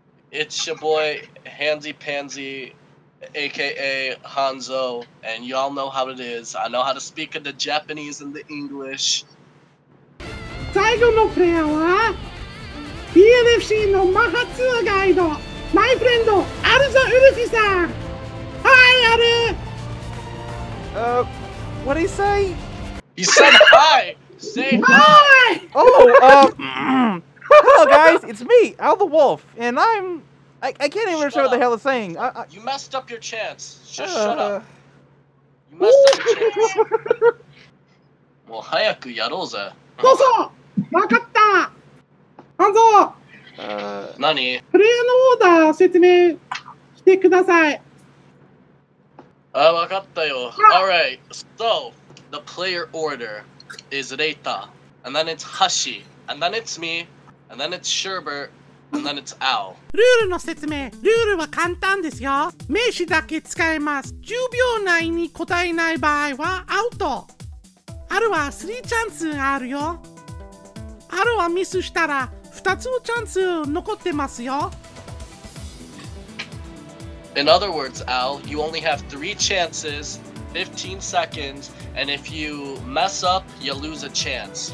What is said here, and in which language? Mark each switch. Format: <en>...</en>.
<en>It's your boy Hansy Pansy, aka Hanzo, and y'all know how it is. I know how to speak in the Japanese and the English.</en> <ja>最後のプレイヤーは BLFC のマハツアガイド、</ja> <en>マイフレンド、</en> <ja>アルザウルフィさん。はい、アル。</ja> <en>What did he say? He said hi. Say hi. Hello guys, it's me, Al the Wolf, and I'm... I can't even understand what the hell it's saying. You messed up your chance. Just shut up. You messed up your chance.</en> <ja>もう早くやろうぜ。どうぞ。わかった。ハンゾー。 何？プレイヤーのオーダー説明してください。わかったよ。</ja> <en>Alright, so the player order is Reita, and then it's Hashi, and then it's me. And then it's Sherbert, and then it's Al.</en> <ja>ルールの説明。ルールは簡単ですよ。名詞だけ使います。 10秒内に答えない場合はアウト。アルは3チャンスあるよ。アルはミスしたら2つのチャンス残ってますよ。</ja> <en>In other words, Al, you only have 3 chances, 15 seconds, and if you mess up, you lose a chance.</en>